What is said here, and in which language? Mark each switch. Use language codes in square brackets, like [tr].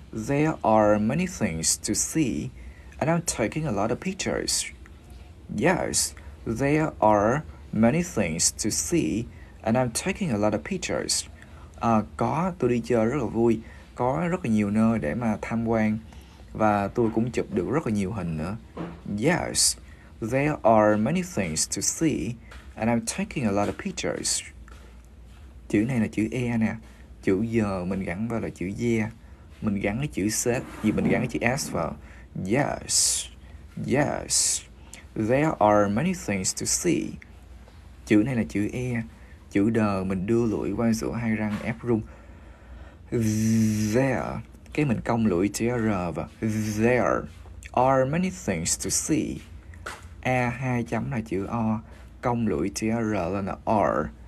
[en] There are many things to see. And I'm taking a lot of pictures. Yes. There are many things to see. And I'm taking a lot of pictures. [vi] À, có. Tôi đi chơi rất là vui. Có rất là nhiều nơi để mà tham quan. Và tôi cũng chụp được rất là nhiều hình nữa. [en] Yes, there are many things to see, and I'm taking a lot of pictures. [vi] Chữ này là chữ E nè. Chữ G mình gắn vào là chữ Z. Mình gắn cái chữ S, vì mình gắn cái chữ S vào. [en] Yes, yes, there are many things to see. [vi] Chữ này là chữ E. Chữ D mình đưa lưỡi qua giữa hai răng ép rung. There. Cái mình cong lưỡi chữ R và [en] there are many things to see. [vi] A hai chấm là chữ O. Cong lưỡi chữ R lên là are.